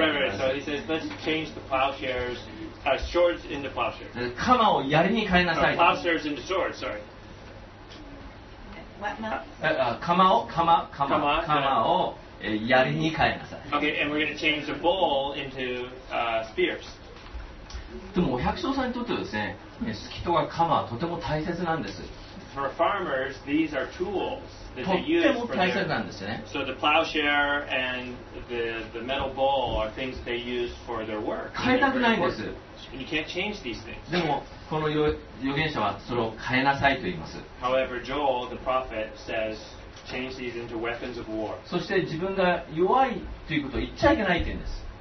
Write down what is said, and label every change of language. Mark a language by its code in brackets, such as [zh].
[en] Right, so he says, let's change the plowshares, swords into plowshare. [ja] 鎌を槍に変えなさい。 [en] Plowshares into swords, sorry. What now? [ja] 鎌を。槍に変えなさい。 [en] Okay, and we're going to change the bowl into spears. [ja] でもお百姓さんにとってはですね、スキとか鎌はとても大切なんです。 [en] For farmers, these are tools that they use. [ja] とても大切なんですね。 [en] So the plowshare and the metal bowl are things they use for their work. [ja] 変えたくないんです。 [en] And you can't change these things. [ja] でもこの預言者はそれを変えなさいと言います。 [en] However, Joel, the prophet, says. Change these into weapons of war. [ja] そして自分が弱いということを言っちゃいけないというんです。